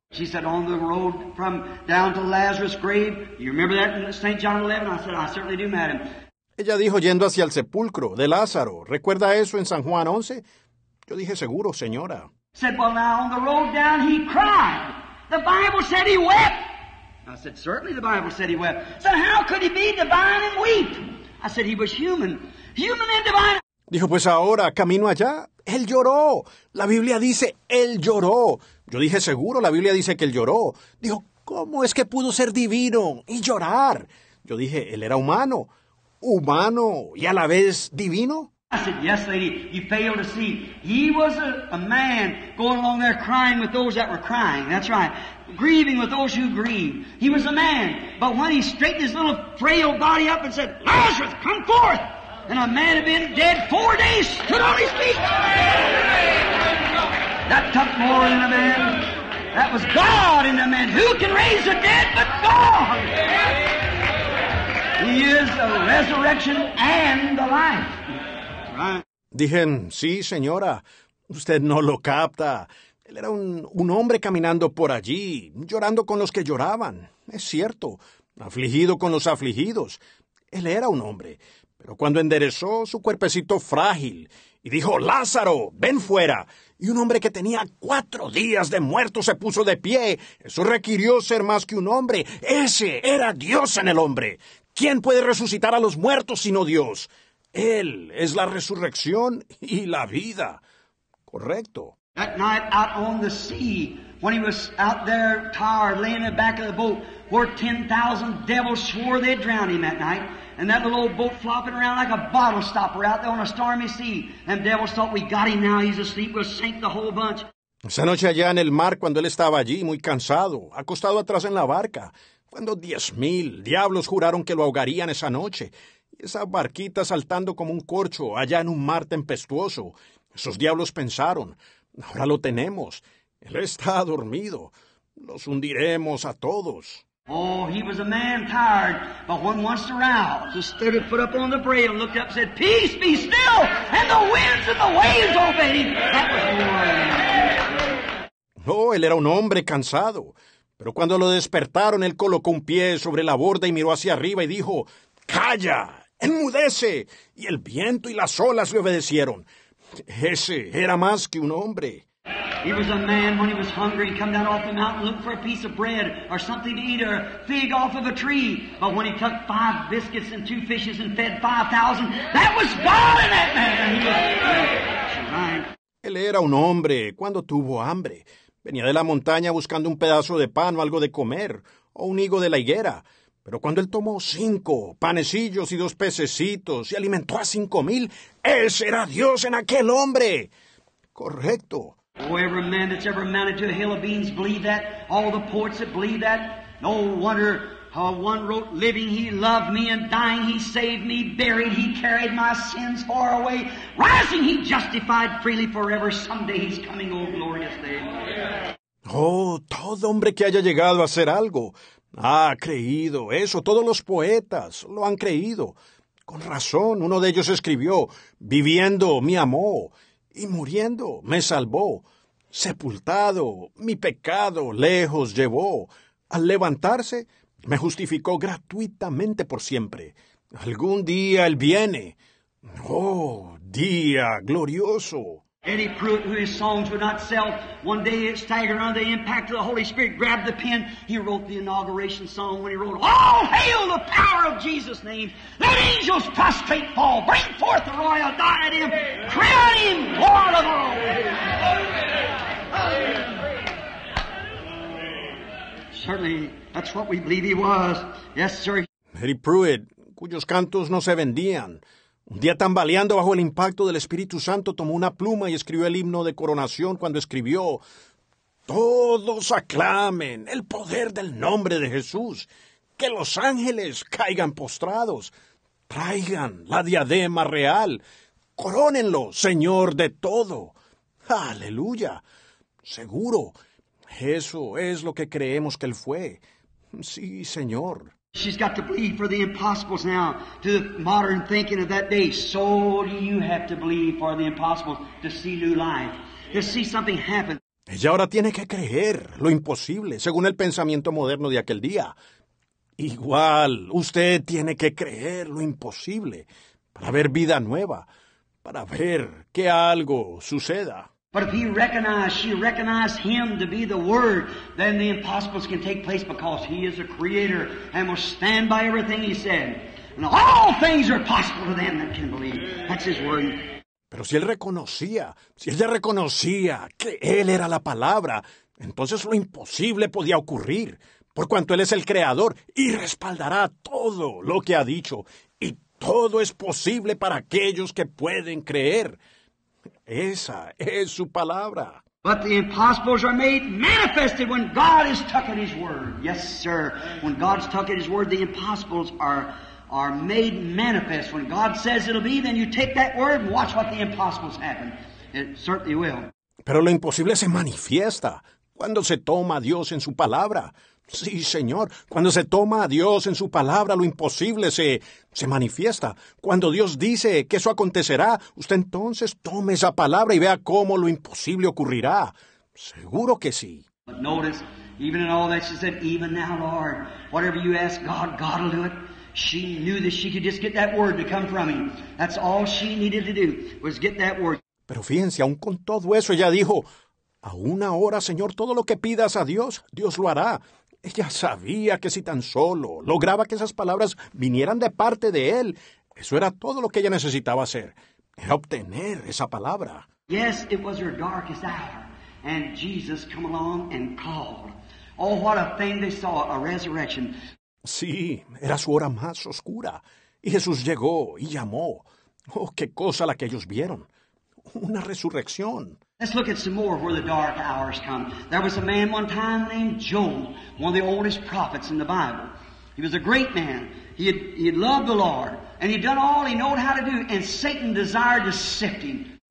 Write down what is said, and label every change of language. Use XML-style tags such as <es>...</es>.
<en>She said, on the road from down to Lazarus' grave. You remember that in St. John 11? I said, I certainly do, madam.</en> <es>Ella dijo, yendo hacia el sepulcro de Lázaro. ¿Recuerda eso en San Juan 11? Yo dije, seguro, señora.</es> <en>Said, well, now on the road down, he cried. The Bible said he wept. I said, certainly the Bible said he wept. So how could he be divine and weep? I said, he was human. Human and divine.</en> <es>Dijo, pues ahora, camino allá, él lloró. La Biblia dice, él lloró. Yo dije, seguro, la Biblia dice que él lloró. Dijo, ¿cómo es que pudo ser divino y llorar? Yo dije, él era humano. Humano y a la vez divino.</es> <en>I said, yes, lady, you fail to see. He was a man going along there crying with those that were crying. That's right. Grieving with those who grieve. He was a man. But when he straightened his little frail body up and said, Lazarus, come forth. And a man had been dead 4 days, stood on his feet. That took more than a man. That was God in a man. Who can raise the dead but God? He is the resurrection and the life.</en> <es>Dije, sí, señora, usted no lo capta. Él era un hombre caminando por allí, llorando con los que lloraban. Es cierto, afligido con los afligidos. Él era un hombre, pero cuando enderezó su cuerpecito frágil y dijo, Lázaro, ven fuera, y un hombre que tenía 4 días de muerto se puso de pie, eso requirió ser más que un hombre. Ese era Dios en el hombre. ¿Quién puede resucitar a los muertos sino Dios? Él es la resurrección y la vida. Correcto.</es> <en>That night out on the sea, when he was out there tired, laying in the back of the boat, where 10,000 devils swore they'd drown him that night, and that little old boat flopping around like a bottle stopper out there on a stormy sea, and devils thought, we got him now, he's asleep, we'll sink the whole bunch.</en> <es>Esa noche allá en el mar, cuando él estaba allí, muy cansado, acostado atrás en la barca, cuando 10,000 diablos juraron que lo ahogarían esa noche, y esa barquita saltando como un corcho allá en un mar tempestuoso, esos diablos pensaron, ahora lo tenemos. Él está dormido. Los hundiremos a todos.</es> <en>Oh, he was a man tired, but when once aroused, he stood and put up on the braille, looked up, said, peace be still, and the winds and the waves obeyed him. That was</en> <es>no, él era un hombre cansado. Pero cuando lo despertaron, él colocó un pie sobre la borda y miró hacia arriba y dijo, calla, enmudece. Y el viento y las olas le obedecieron. Ese era más que un hombre.</es> <en>He was a man when he was hungry, he come down off the mountain, looked for a piece of bread or something to eat or a fig off of a tree. But when he took 5 biscuits and 2 fishes and fed 5,000, that was God in that man. He was right.</en> <es>Él era un hombre cuando tuvo hambre. Venía de la montaña buscando un pedazo de pan o algo de comer, o un higo de la higuera. Pero cuando él tomó 5 panecillos y 2 pececitos y alimentó a 5,000, ¡ese era Dios en aquel hombre! Correcto.</es> <en>Oh, every man that's ever mounted to a hill of beans believe that. All the poets that believe that. No wonder how one wrote, living he loved me and dying he saved me. Buried he carried my sins far away. Rising he justified freely forever. Someday he's coming, oh glorious day.</en> <es>Oh, todo hombre que haya llegado a hacer algo ha creído eso. Todos los poetas lo han creído. Con razón, uno de ellos escribió, viviendo me amó y muriendo me salvó. Sepultado mi pecado lejos llevó. Al levantarse me justificó gratuitamente por siempre. Algún día él viene. Oh, día glorioso.</es> <en>Eddie Pruitt, who his songs would not sell, one day it staggered under the impact of the Holy Spirit, grabbed the pen, he wrote the inauguration song when he wrote, all hail the power of Jesus' name, let angels prostrate fall, bring forth the royal diadem, crown him Lord of all. Certainly, that's what we believe he was. Yes, sir.</en> <es>Eddie Pruitt, cuyos cantos no se vendían. Un día tambaleando bajo el impacto del Espíritu Santo, tomó una pluma y escribió el himno de coronación cuando escribió, todos aclamen el poder del nombre de Jesús, que los ángeles caigan postrados, traigan la diadema real, corónenlo, Señor de todo. ¡Aleluya! Seguro, eso es lo que creemos que Él fue. Sí, Señor.</es> <en>She's got to believe for the impossibles now, to the modern thinking of that day. So do you have to believe for the impossible to see new life, to see something happen.</en> <es>Ella ahora tiene que creer lo imposible, según el pensamiento moderno de aquel día. Igual, usted tiene que creer lo imposible para ver vida nueva, para ver que algo suceda.</es> <en>But if he recognized, she recognized him to be the Word, then the impossibles can take place because he is a creator and will stand by everything he said. And all things are possible to them that can believe. That's his word.</en> <es>Pero si él reconocía, si ella reconocía que él era la palabra, entonces lo imposible podía ocurrir, por cuanto él es el creador y respaldará todo lo que ha dicho. Y todo es posible para aquellos que pueden creer. Esa es su palabra.</es> <en>But the impossibles are made manifested when God is stuck in his word. Yes, sir. When God's stuck in his word, the impossibles are made manifest. When God says it'll be, then you take that word and watch what the impossibles happen. It certainly will.</en> <es>Pero lo imposible se manifiesta cuando se toma a Dios en su palabra. Sí, Señor. Cuando se toma a Dios en su palabra, lo imposible se manifiesta. Cuando Dios dice que eso acontecerá, usted entonces tome esa palabra y vea cómo lo imposible ocurrirá. Seguro que sí.</es> <en>But notice, Even in all that, she said, even now, Lord, whatever you ask God, God will do it. She knew that she could just get that word to come from him. That's all she needed to do, was get that word.</en> <es>Pero fíjense, aún con todo eso, ella dijo, aún ahora, Señor, todo lo que pidas a Dios, Dios lo hará. Ella sabía que si tan solo lograba que esas palabras vinieran de parte de él, eso era todo lo que ella necesitaba hacer, era obtener esa palabra.</es> <en>Yes, it was her darkest hour, and Jesus came along and called. Oh, what a thing they saw, a resurrection.</en> <es>Sí, era su hora más oscura, y Jesús llegó y llamó. Oh, qué cosa la que ellos vieron. Una resurrección.</es> <en>Let's look at some more where the dark hours come. There was a man one time named Joel, one of the oldest prophets in the Bible. He was a great man. He had loved the Lord, and he'd done all he knew how to do, and Satan desired to sift him.</en>